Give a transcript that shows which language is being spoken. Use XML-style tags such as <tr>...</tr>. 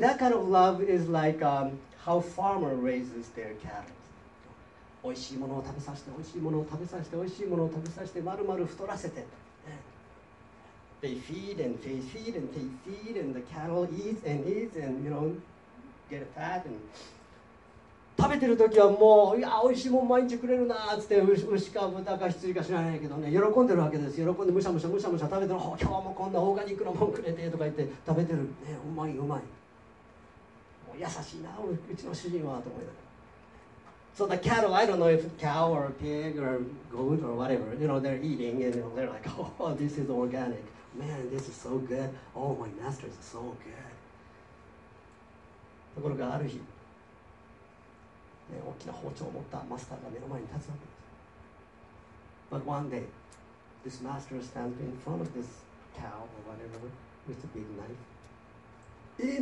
<en>I think that kind of love is like how farmer raises their cattle.</en> <ja>おいしいものを食べさせて、おいしいものを食べさせて、おいしいものを食べさせて、まるまる太らせて。</ja> <en>They feed and they feed and they feed and the cattle eats and eats and, you know, get fat and</en> <ja>食べてる時はもう、いや、おいしいもん毎日くれるなーって言って、牛か豚か羊か知らないけどね、喜んでるわけです。喜んでむしゃむしゃむしゃむしゃ食べてる。今日もこんなオーガニックのもんくれてとか言って食べてる。ね、うまいうまい。もう優しいな、うちの主人はと思いながら。</ja> <en>So the cattle, I don't know if cow or pig or goat or whatever, you know, they're eating and they're like, oh, this is organic. Man, this is so good. Oh, my master is so good.</en> <ja>ところがある日、ね、大きな包丁を持ったマスターが目の前に立つわけです。</ja> <en>But one day, this master stands in front of this cow or whatever with a big knife.</en>